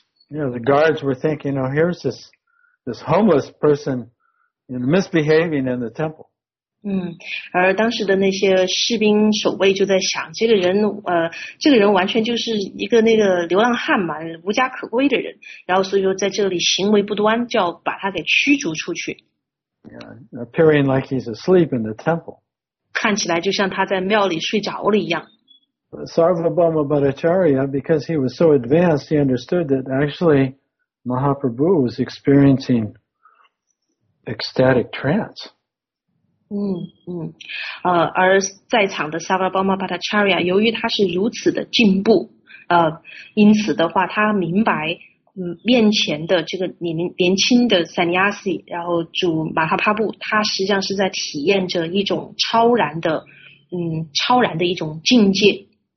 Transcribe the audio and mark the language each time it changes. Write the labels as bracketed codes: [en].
[en] Yeah, the guards were thinking, you know, here's this homeless person misbehaving in the temple. [zh] 而当时的那些士兵守卫就在想，这个人完全就是一个那个流浪汉嘛，无家可归的人，然后所以说在这里行为不端，就要把他给驱逐出去。 [en] Yeah, appearing like he's asleep in the temple. [zh] 看起来就像他在庙里睡着了一样。 [en] Sarvabhauma Bhattacharya, because he was so advanced, he understood that actually Mahaprabhu was experiencing ecstatic trance. [zh] 而在场的 Sarvabhauma Bhattacharya, 由于他是如此的进步，因此的话他明白面前的这个年轻的 Sannyasi, 然后主马哈帕布，他实际上是在体验着一种超然的一种境界。